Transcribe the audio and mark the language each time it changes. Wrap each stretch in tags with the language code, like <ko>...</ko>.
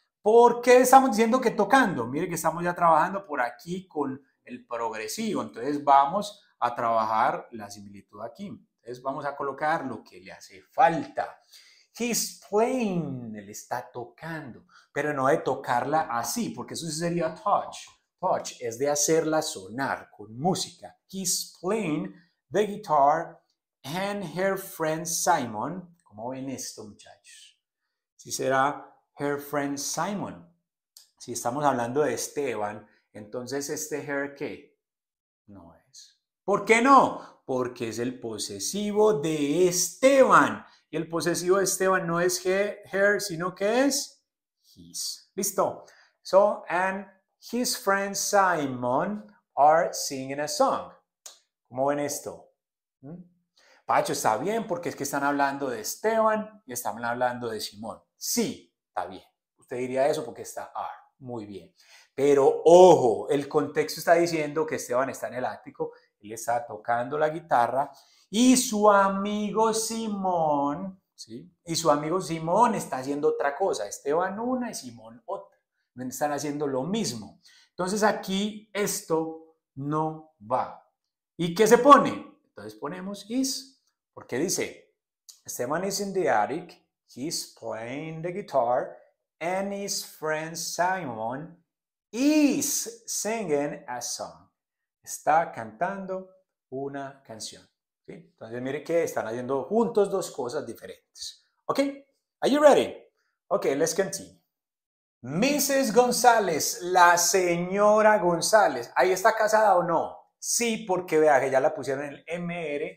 <es>¿Por qué estamos diciendo que tocando? Mire que estamos ya trabajando por aquí con el progresivo. Entonces vamos a trabajar la similitud aquí. Entonces vamos a colocar lo que le hace falta.</es> <en>He's playing,</en> <es>él está tocando, pero no de tocarla así, porque eso sería touch. Touch es de hacerla sonar con música.</es> <en>He's playing the guitar and her friend Simon.</en> <es>¿Cómo ven esto, muchachos? Si será</es> <en>her friend Simon.</en> <es>Si estamos hablando de Esteban, entonces este her ¿qué? No es. ¿Por qué no? Porque es el posesivo de Esteban. Y el posesivo de Esteban no es her, sino que es his. ¿Listo?</es> <en>So, and his friend Simon are singing a song.</en> <es>¿Cómo ven esto? Pacho, está bien, porque es que están hablando de Esteban y están hablando de Simón. Sí, está bien. Usted diría eso porque está are. Muy bien. Pero, ojo, el contexto está diciendo que Esteban está en el ático. Él está tocando la guitarra y su amigo Simón, ¿sí? Y su amigo Simón está haciendo otra cosa. Esteban una y Simón otra. Están haciendo lo mismo. Entonces aquí esto no va. ¿Y qué se pone? Entonces ponemos is. Porque dice,</es> <en>Esteban is in the attic, he's playing the guitar and his friend Simon is singing a song.</en> <es>Está cantando una canción. ¿Sí? Entonces, mire que están haciendo juntos dos cosas diferentes.</es> <en>¿Ok? Are you ready? Ok, let's continue. Mrs.</en> <es>González, la señora González. ¿Ahí está casada o no? Sí, porque vea que ya la pusieron en el MR.</es>